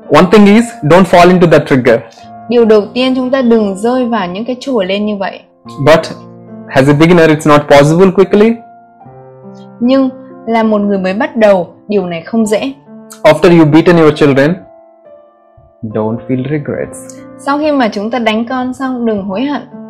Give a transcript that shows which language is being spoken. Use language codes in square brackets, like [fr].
[en] One thing is, don't fall into that trigger. [vi] Điều đầu tiên, chúng ta đừng rơi vào những cái trồi lên như vậy. [en] But as a beginner, it's not possible quickly. [vi] Nhưng là một người mới bắt đầu, điều này không dễ. [en] After you've beaten your children, don't feel regrets. [vi] Sau khi mà chúng ta đánh con xong, đừng hối hận.